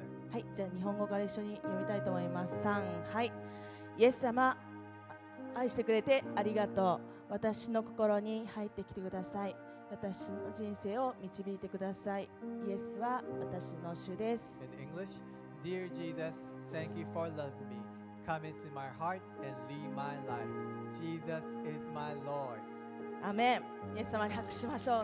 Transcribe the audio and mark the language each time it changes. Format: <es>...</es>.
<ja>はい、じゃあ日本語から一緒に読みたいと思います。3、はい、イエス様愛してくれてありがとう。私の心に入ってきてください。私の人生を導いてください。イエスは私の主です。</ja> <en>In English, Dear Jesus, thank you for loving me. Come into my heart and lead my life. Jesus is my Lord</en> <ja>アメン。イエス様に拍手しましょう。</ja>